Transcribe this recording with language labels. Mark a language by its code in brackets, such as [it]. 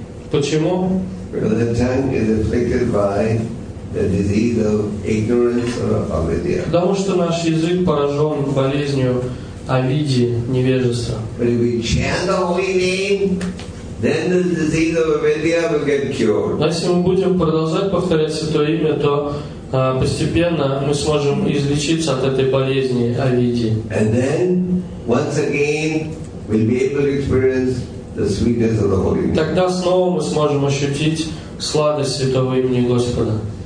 [ru] Почему? Потому что наш язык поражен болезнью авидии, невежества. Но если мы будем продолжать повторять Святое Имя, то постепенно мы сможем излечиться от этой болезни авидии. [en] And then, once again, we'll be able to experience the sweetness of the Holy Name. [ru] Тогда снова мы сможем ощутить сладость Святого Имени Господа.